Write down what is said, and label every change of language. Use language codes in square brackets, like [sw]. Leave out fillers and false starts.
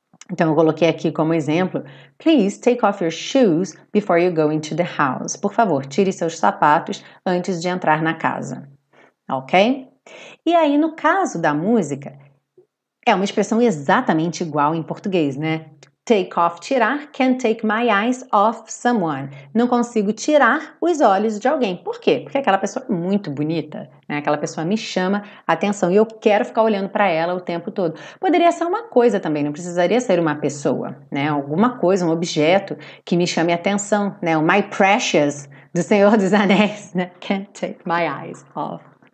[pt] Então, eu coloquei aqui como exemplo, [en] please take off your shoes before you go into the house. [pt] Por favor, tire seus sapatos antes de entrar na casa, ok? E aí, no caso da música, é uma expressão exatamente igual em português, né? [en] take off, tirar, can't take my eyes off someone. [pt] Não consigo tirar os olhos de alguém. Por quê? Porque aquela pessoa é muito bonita, né? Aquela pessoa me chama a atenção e eu quero ficar olhando para ela o tempo todo. Poderia ser uma coisa também, não precisaria ser uma pessoa, né? Alguma coisa, um objeto que me chame a atenção, né? O My Precious do Senhor dos Anéis, né? [en] Can't take my eyes off.